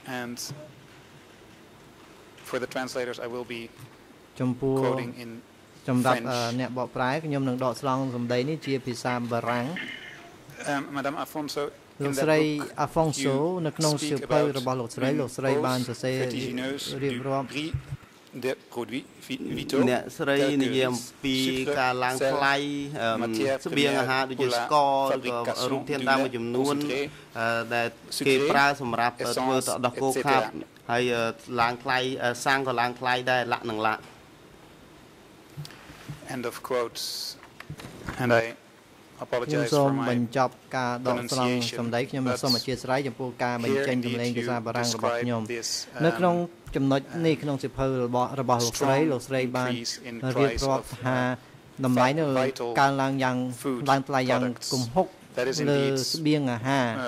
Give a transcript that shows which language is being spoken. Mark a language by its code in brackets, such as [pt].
[en] and for the translators I will be quoting in [km] ចំដាប់អ្នកបកប្រែខ្ញុំនឹងដកស្រង់សម្ដីនេះជាភាសាបារាំង [en] Madame Afonso [km] លោកស្រី Afonso នៅក្នុងសៀវភៅរបស់លោកស្រីលោកស្រីបានសរសេររៀបរាប់ [fr] des produits vitaux [km] អ្នកស្រីនិយាយអំពីការឡើងថ្លៃស្បៀងអាហារដូចជាស្កររូបធាតុដើមមួយចំនួនដែលគេប្រើសម្រាប់ធ្វើទឹកដោះគោខាប់ហើយឡើងថ្លៃសាំងក៏ឡើងថ្លៃដែរលក្ខនឹងលក្ [en] ខ End of quotes and I apologize for my [km] សូមបញ្ចប់ការដកស្រង់សម្ដីខ្ញុំសូមអធិស្ឋានចំពោះការបញ្ចេញទំនេញភាសាបារាំងរបស់ខ្ញុំនៅក្នុងចំណុចនេះក្នុងសិភៅរបស់លោកស្រីបានរៀបរាប់ថាតម្លៃនៅកើនឡើងយ៉ាងខ្លាំងថ្លៃយ៉ាងគំហុកលើស្បៀងអាហារ